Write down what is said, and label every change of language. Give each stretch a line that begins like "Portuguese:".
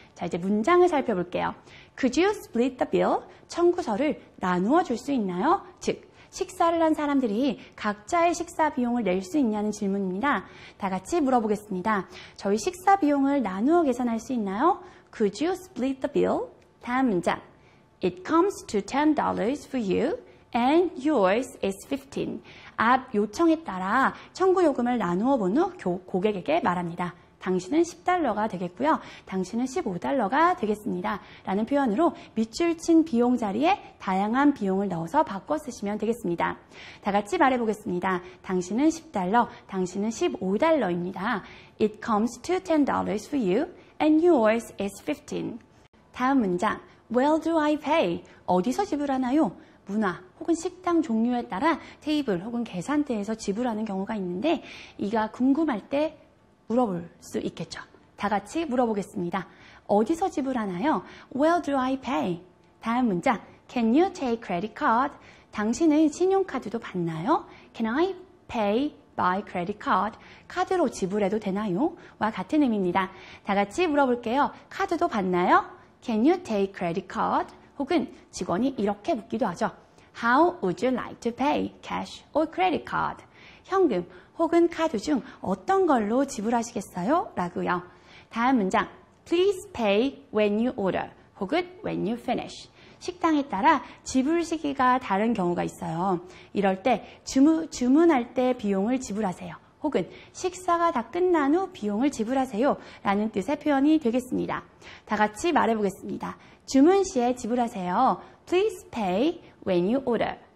Korean: 자, 이제 문장을 살펴볼게요.
English: Could you split the bill?
Korean: 청구서를 나누어 줄 수 있나요? 즉, 식사를 한 사람들이 각자의 식사 비용을 낼 수 있냐는 질문입니다. 다 같이 물어보겠습니다. 저희 식사 비용을 나누어 계산할 수 있나요?
English: Could you split the bill?
Korean: 다음 문장.
English: It comes to $10 for you and yours is 15.
Korean: 앞 요청에 따라 청구 요금을 나누어 본 후 고객에게 말합니다. 당신은 10달러가 되겠고요. 당신은 15달러가 되겠습니다. 라는 표현으로 밑줄 친 비용 자리에 다양한 비용을 넣어서 바꿔 쓰시면 되겠습니다. 다 같이 말해 보겠습니다. 당신은 10달러, 당신은 15달러입니다.
English: It comes to $10 for you and yours is 15.
Korean: 다음 문장.
English: Where do I pay?
Korean: 어디서 지불하나요? 문화 혹은 식당 종류에 따라 테이블 혹은 계산대에서 지불하는 경우가 있는데 이가 궁금할 때 물어볼 수 있겠죠. 다 같이 물어보겠습니다. 어디서 지불하나요?
English: Where do I pay?
Korean: 다음 문장.
English: Can you take credit card?
Korean: 당신은 신용카드도 받나요?
English: Can I pay by credit card?
Korean: 카드로 지불해도 되나요? 와 같은 의미입니다. 다 같이 물어볼게요. 카드도 받나요?
English: Can you take credit card?
Korean: 혹은 직원이 이렇게 묻기도 하죠.
English: How would you like to pay? Cash or credit card?
Korean: 현금 혹은 카드 중 어떤 걸로 지불하시겠어요? 라고요. 다음 문장.
English: Please pay when you order 혹은 when you finish.
Korean: 식당에 따라 지불 시기가 다른 경우가 있어요. 이럴 때 주문할 때 비용을 지불하세요. 혹은 식사가 다 끝난 후 비용을 지불하세요. 라는 뜻의 표현이 되겠습니다. 다 같이 말해보겠습니다. 주문 시에 지불하세요.
English: Please pay when you order.